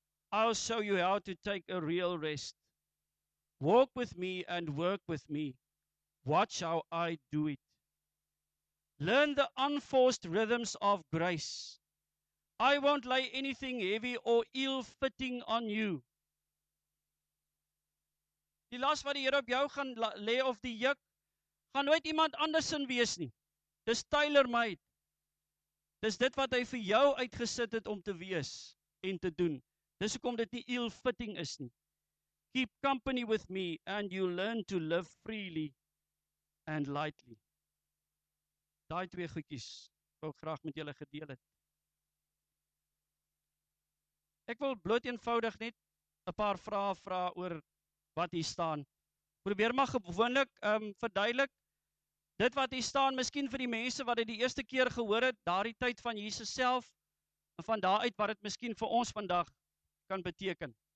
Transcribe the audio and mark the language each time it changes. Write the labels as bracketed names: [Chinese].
[English] I'll show you how to take a real rest. Walk with me and work with me. Watch how I do it. Learn the unforced rhythms of grace. I won't lay anything heavy or ill-fitting on you. [Afrikaans] Die las wat die Here op jou gaan lê of die juk, gaan nooit iemand anders in wees nie. Dis tailor-made. Dis dit wat hy vir jou uitgesit het om te wees en te doen. Dis hoekom dit nie ill-fitting is nie. [English] Keep company with me and you learn to live freely and lightly. [Afrikaans] Daai twee goedjies wou graag met julle gedeel het. Ek wil bloot eenvoudig net 'n paar vrae vra oor wat hier staan. Probeer maar gewoonlik verduidelik dit wat hier staan, miskien vir die mense wat dit die eerste keer gehoor het, daardie tyd van Jesus self en van daaruit wat dit miskien vir ons vandag kan beteken.